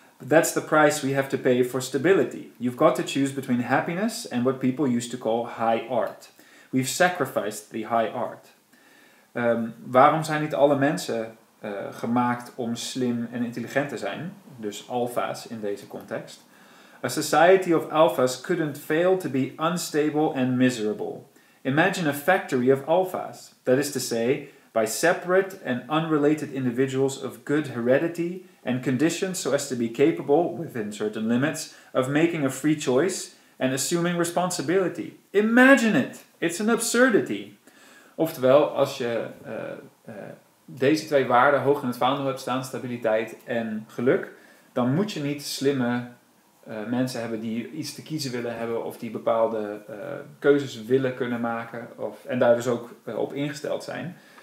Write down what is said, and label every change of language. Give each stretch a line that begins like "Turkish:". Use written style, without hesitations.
English: That's the price we have to pay for stability. You've got to choose between happiness and what people used to call high art. We've sacrificed the high art.
Dutch: Waarom zijn niet alle mensen gemaakt om slim en intelligent te zijn? Dus alfa's in deze context.
English: A society of alfa's couldn't fail to be unstable and miserable. Imagine a factory of alfa's. That is to say, by separate and unrelated individuals of good heredity... and conditioned so as to be capable, within certain limits, of making a free choice and assuming responsibility. Imagine it! It's an absurdity.
Dutch: Oftewel, als je deze twee waarden hoog in het vaandel hebt staan, stabiliteit en geluk, dan moet je niet slimme mensen hebben die iets te kiezen willen hebben of die bepaalde keuzes willen kunnen maken of, en daar dus ook op ingesteld zijn.